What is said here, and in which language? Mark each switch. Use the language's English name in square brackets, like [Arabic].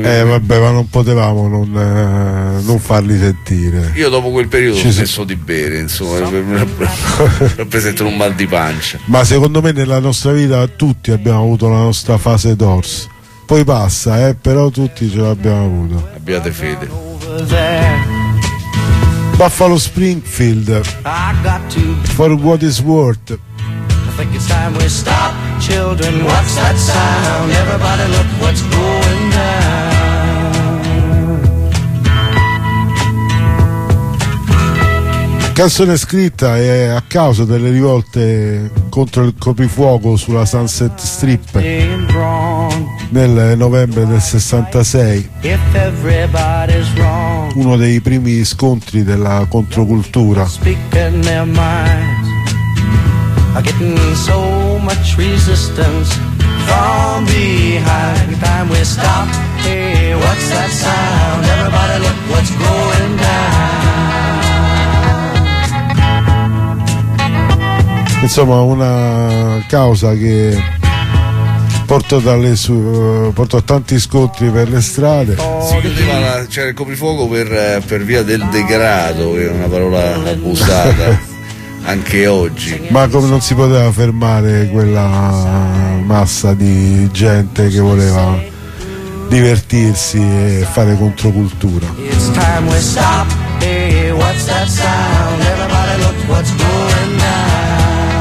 [Italian] Vabbè, ma non potevamo non farli sentire. Io dopo quel periodo ho smesso di bere, insomma, rappresentano un mal di pancia. Ma secondo me nella nostra vita tutti abbiamo avuto la nostra fase Dorse. Poi passa, però tutti ce l'abbiamo avuto. Abbiate fede. [English] Buffalo Springfield, For What It's Worth. I think it's time we stop, children, what's that sound? Everybody look what's going down. [Italian] Canzone scritta è a causa delle rivolte contro il coprifuoco sulla Sunset Strip nel novembre del 66. [English] If everybody's wrong, [Italian] uno dei primi scontri della controcultura. [English] Getting so much resistance from behind. Time we stop. Hey, what's that sound? Everybody look what's going down. [Italian] Insomma, una causa che portò tanti scontri per le strade. Si chiudeva il coprifuoco per via del degrado, che è una parola usata anche oggi. Ma come non si poteva fermare quella massa di gente che voleva divertirsi e fare controcultura? [English] It's time we stop. Hey, what's that sound? Everybody look what's going on.